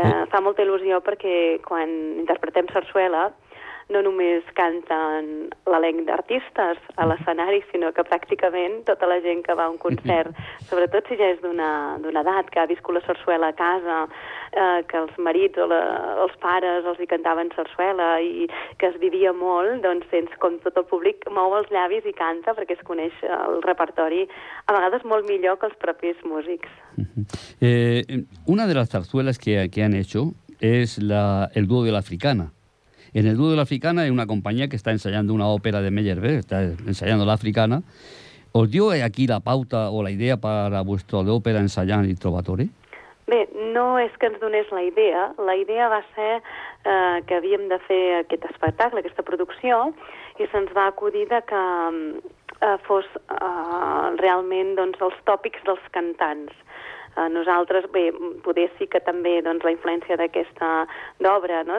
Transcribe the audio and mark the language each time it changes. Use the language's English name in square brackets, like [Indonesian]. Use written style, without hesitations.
[Catalan] Fa molta il·lusió perquè quan interpretem sarsuela no només canten l'elenc d'artistes a l'escenari, sinó que pràcticament tota la gent que va a un concert, sobretot si ja és d'una edat, que ha viscut la sarsuela a casa, que els marits o els pares els hi cantaven sarsuela i que es vivia molt, doncs sents com tot el públic mou els llavis i canta perquè es coneix el repertori, a vegades molt millor que els propis músics. Uh-huh. Una de les sarsuelas que [Spanish] han hecho [Catalan] és el dúo de l'Africana. [Spanish] En el dúo de l'Africana hay una compañía que está ensayando una ópera de Meyerbeer, está ensayando l'Africana. ¿Os dio aquí la pauta o la idea para vuestro de ópera ensayant i Trovatore? [Catalan] Bé, no és que ens donés la idea. La idea va ser que havíem de fer aquest espectacle, aquesta producció, i se'ns va acudir de que fos realment doncs, els tòpics dels cantants. Nosaltres, bé, poder sí que també doncs, la influència d'aquesta d'obra, no?